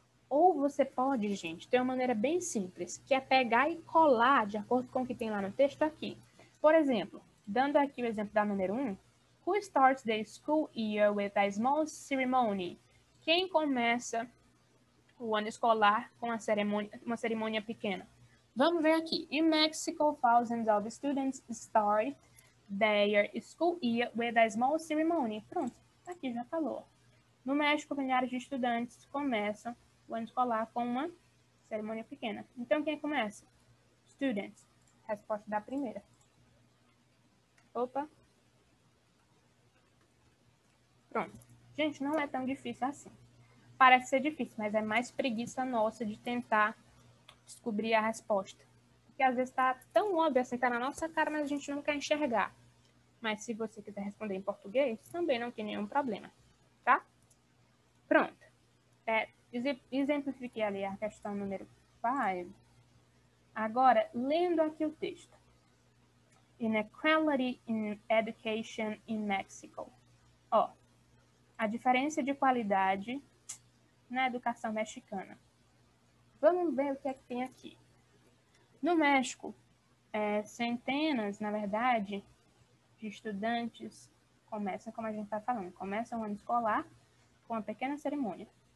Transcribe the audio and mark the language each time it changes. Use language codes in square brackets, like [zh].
[pt] Ou você pode, gente, ter uma maneira bem simples, que é pegar e colar de acordo com o que tem lá no texto aqui. Por exemplo, dando aqui o exemplo da número 1. [en] Who starts the school year with a small ceremony? [pt] Quem começa o ano escolar com uma cerimônia pequena. Vamos ver aqui. [en] In Mexico, thousands of students start their school year with a small ceremony. [pt] Pronto, aqui já falou. No México, milhares de estudantes começam o ano escolar com uma cerimônia pequena. Então, quem começa? Students. Resposta da primeira. Opa. Pronto. Gente, não é tão difícil assim. Parece ser difícil, mas é mais preguiça nossa de tentar descobrir a resposta. Porque às vezes tá tão óbvio assim, tá na nossa cara, mas a gente não quer enxergar. Mas se você quiser responder em português, também não tem nenhum problema, tá? Pronto. É, exemplifiquei ali a questão número 5. Agora, lendo aqui o texto. [en] Inequality in education in Mexico. [pt] Ó, a diferença de qualidade na educação mexicana. Vamos ver o que é que tem aqui. No México, centenas, na verdade, de estudantes começam, como a gente está falando, começam o ano escolar com uma pequena cerimônia.